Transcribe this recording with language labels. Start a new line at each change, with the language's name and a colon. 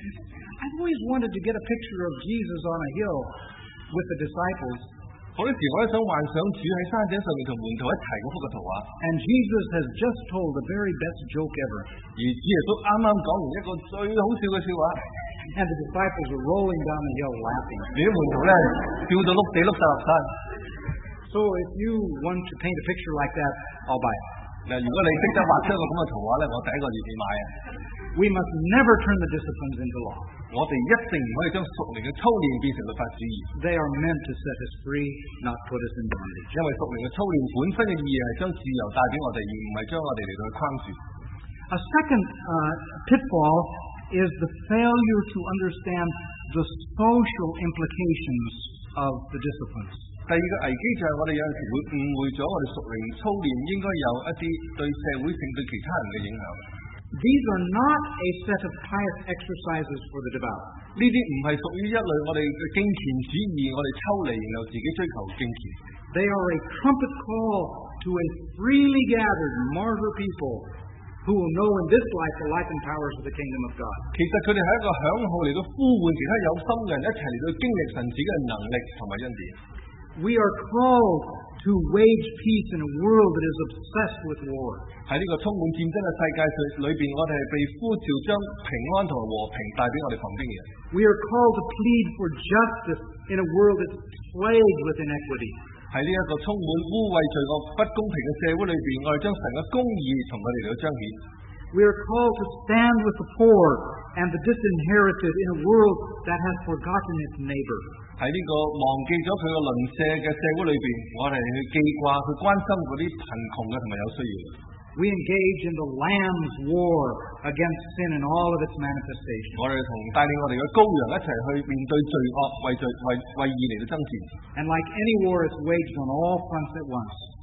English: I've always wanted to get a picture of Jesus on a hill with the disciples.
Cantonese: 好多時我都想幻想主喺山頂上面同門徒一齊嗰幅嘅圖畫。
English: And Jesus has just told the very best joke ever.
Cantonese: 而耶穌啱啱講完一個最好笑嘅笑話。
English: And the disciples are rolling down the hill laughing.
Cantonese: 啲門徒咧笑到碌地碌到落山。
English: So if you want to paint a picture like that, I'll buy it.
Cantonese: 如果你懂得畫出一個咁嘅圖畫咧，我第一個願意買啊。
English: We must never turn the disciplines into law.
Cantonese: 我哋一定唔可以將屬靈嘅操練變成律法主義。
English: They are meant to set us free, not put us in bondage.
Cantonese: 因為屬靈嘅操練本身嘅意義係將自由帶俾我哋，而唔係將我哋嚟到去框住。
English: A second pitfall is the failure to understand the social implications of the disciplines.
Cantonese: 第二個危機就係我哋有時會誤會咗，我哋屬靈操練應該有一啲對社會性、對其他人嘅影響。
English: These are not a set of pious exercises for the devout.
Cantonese: 呢啲唔係屬於一類我哋敬虔主義，我哋抽離然後自己追求敬虔。
English: They are a trumpet call to a freely gathered martyr people who will know in this life the life and powers of the kingdom of God.
Cantonese: 其實佢哋係一個響號嚟到呼喚其他有心嘅人一齊嚟到經歷神子嘅能力同埋恩典。
English: We are called to wage peace in a world that is obsessed with war.
Cantonese: 在这个充满战争的世界里面，我们是被呼召将平安和和平带给我们旁边的人。
English: We are called to plead for justice in a world that's plagued with inequity.
Cantonese: 在这个充满污秽罪恶不公平的社会里面，我们将神的公义同我们来彰显。
English: We are called to stand with the poor and the disinherited in a world that has forgotten its neighbor.
Cantonese: 在这个忘记了他的邻舍的社会里面，我们去记挂、去关心那些贫穷的和有需要的。
English: We engage in the Lamb's war against sin and all of its manifestations.
Cantonese: 我哋同带领我哋嘅羔羊一齐去面对罪恶，为义嚟到争战。
English: And like any war, it's waged on all fronts at once.